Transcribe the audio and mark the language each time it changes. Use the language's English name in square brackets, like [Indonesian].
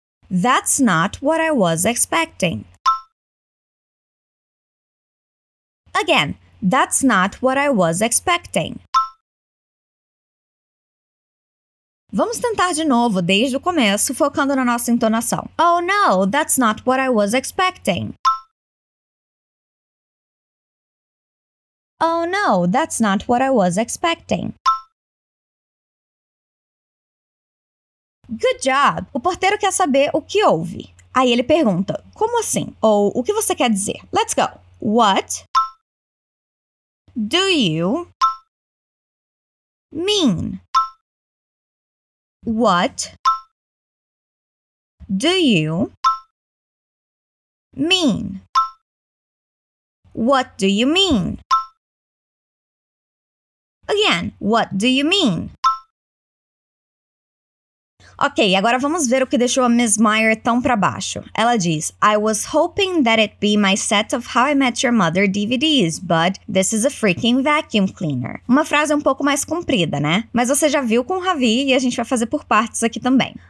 [English] That's not what I was expecting. Again, that's not what I was expecting. [Portuguese] Vamos tentar de novo, desde o começo, focando na nossa entonação. [English] Oh no, that's not what I was expecting. Oh no, that's not what I was expecting. Good job! [Portuguese] O porteiro quer saber o que houve. Aí ele pergunta, como assim? Ou o que você quer dizer? [English] Let's go! What do you mean? What do you mean? What do you mean? Again, what do you mean? [Portuguese] Ok, agora vamos ver o que deixou a Miss Meyer tão pra baixo. Ela diz, [English] I was hoping that it be my set of How I Met Your Mother DVDs, but this is a freaking vacuum cleaner. [Portuguese] Uma frase um pouco mais comprida, né? Mas você já viu com o Ravi e a gente vai fazer por partes aqui também.